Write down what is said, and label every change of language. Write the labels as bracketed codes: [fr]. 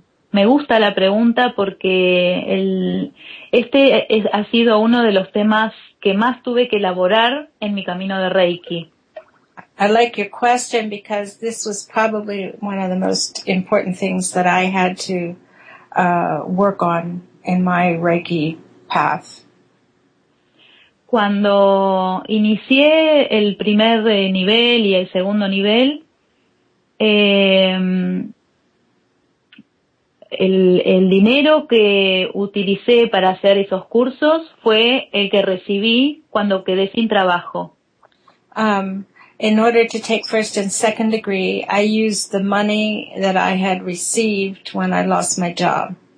[es] Me gusta la pregunta porque ha sido uno de los temas que más tuve que elaborar en mi camino de Reiki. [en] I like your question because this was probably one of the most important things that I had to work on in my Reiki path. [es] Cuando inicié el primer nivel y el segundo nivel, el dinero que utilicé para hacer esos cursos fue el que recibí cuando quedé sin trabajo. [en] In order to take first and second degree, I used the money that I had received when I lost my job.